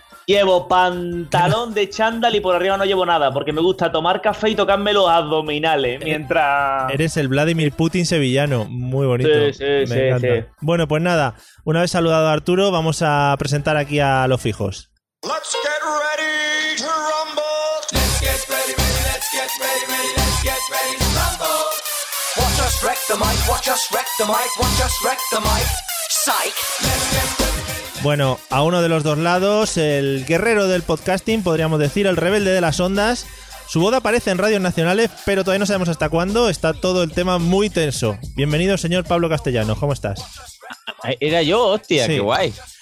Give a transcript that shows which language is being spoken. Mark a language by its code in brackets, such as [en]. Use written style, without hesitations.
[es] Llevo pantalón de chándal y por arriba no llevo nada, porque me gusta tomar café y tocarme los abdominales mientras... Eres el Vladimir Putin sevillano, muy bonito. Sí, me encanta. Bueno, pues nada, una vez saludado a Arturo, vamos a presentar aquí a los fijos. [en] Let's get ready to rumble. Let's get ready, let's get ready, let's get ready to rumble. Watch us wreck the mic, watch us wreck the mic, watch us wreck the mic. Psych. Let's get ready. [es] Bueno, a uno de los dos lados, el guerrero del podcasting, podríamos decir, el rebelde de las ondas. Su boda aparece en radios nacionales, pero todavía no sabemos hasta cuándo. Está todo el tema muy tenso. Bienvenido, señor Pablo Castellano. ¿Cómo estás? Era yo, hostia, sí. Qué guay.